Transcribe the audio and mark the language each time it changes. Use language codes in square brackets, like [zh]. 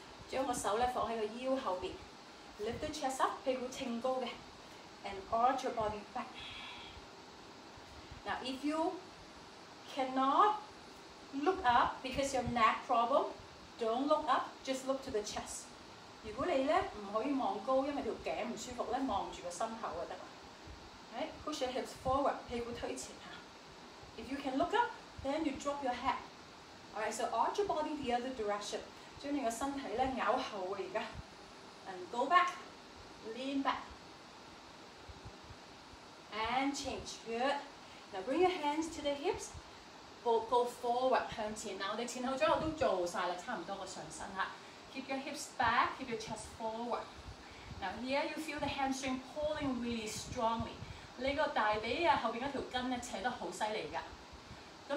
[yue] 将我手放在腰后面. [en] Lift the chest up, [yue] 屁股挺高的. [en] And arch your body back. Now if you cannot look up because you have neck problem, don't look up, just look to the chest. [yue] 如果你不可以望高,因为颈不舒服, 望住个心口就行了. [en] Right? Push your hips forward, [yue] 屁股推前. [en] If you can look up, then you drop your head. Alright, so arch your body the other direction. [yue] 将你的身体咬后啊, [en] and go back, lean back. And change. Good. Now bring your hands to the hips. Go forward, [yue] 向前. [en] Now, [yue] 你前后左右都做完了,差不多我上身啊. [en] Keep your hips back, keep your chest forward. Now here you feel the hamstring pulling really strongly. [yue] 你的大髀后面那条筋扯得很厉害的.